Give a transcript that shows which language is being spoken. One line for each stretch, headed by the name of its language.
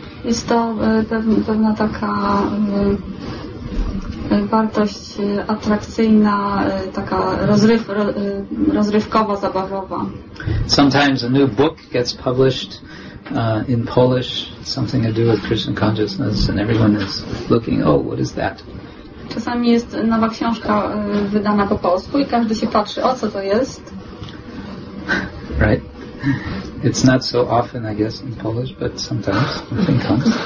Polish: Jest to pewna taka wartość atrakcyjna, taka rozrywkowa, zabawowa.
English: Sometimes a new book gets published in Polish, something to do with Krishna consciousness, and everyone is looking, oh, what is that?
Polish: Czasami jest nowa książka wydana po polsku i każdy się patrzy, o co to jest?
English: Right. It's not so often, I guess, in Polish, but sometimes something comes.